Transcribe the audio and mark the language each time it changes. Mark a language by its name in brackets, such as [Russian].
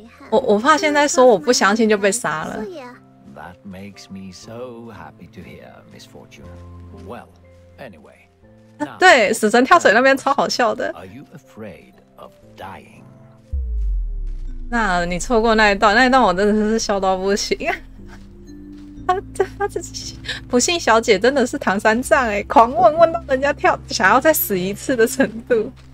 [Chinese] 我怕现在说我不相信就被杀了。 [English] That makes me so happy to hear, Miss Fortune. Well, anyway. [Chinese] 对，死神跳水那边超好笑的。 [English] Are you afraid? Of dying. [Chinese] 那你错过那一段，那一段我真的是笑到不行。他不幸小姐真的是唐三藏哎，狂问问到人家跳想要再死一次的程度。